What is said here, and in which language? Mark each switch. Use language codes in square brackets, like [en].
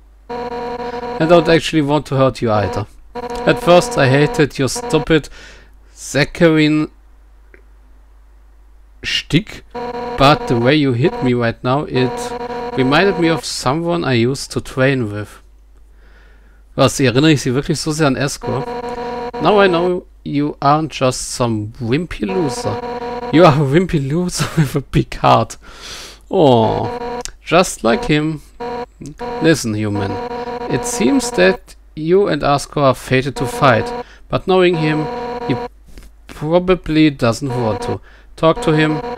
[en] I don't actually want to hurt you either. At first I hated your stupid saccharine stick, but the way you hit me right now, it reminded me of someone I used to train with. [de] Was, erinnere ich sie wirklich so sehr an Esco? [en] Now I know you aren't just some wimpy loser. You are a wimpy loser with a big heart. Oh, just like him. Listen, human. It seems that you and Asko are fated to fight. But knowing him, he probably doesn't want to. Talk to him.